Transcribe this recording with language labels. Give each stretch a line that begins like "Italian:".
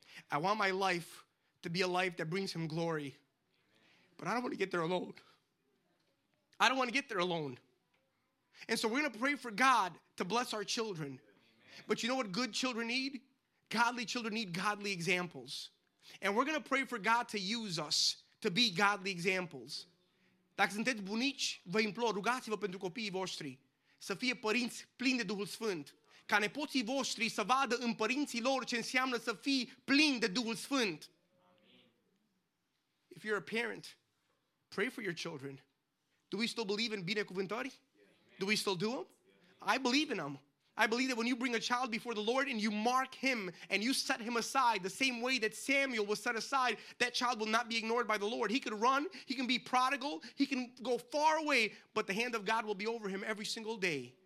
English: I want my life to be a life that brings him glory. But I don't want to get there alone. I don't want to get there alone. And so we're going to pray for God to bless our children. But you know what good children need? Godly children need godly examples. And we're going to pray for God to use us to be godly examples.
Romanian: Dacă sunteți bunici, vă implor, rugați-vă pentru copiii voștri să fie părinți plini de Duhul Sfânt. Ca nepoții voștri să vadă în părinții lor ce înseamnă să fii plin de Duhul Sfânt.
English: If you're a parent, pray for your children. Do we still believe in binecuvântări? Do we still do them? I believe in them. I believe that when you bring a child before the Lord and you mark him and you set him aside the same way that Samuel was set aside, that child will not be ignored by the Lord. He could run, he can be prodigal, he can go far away, but the hand of God will be over him every single day.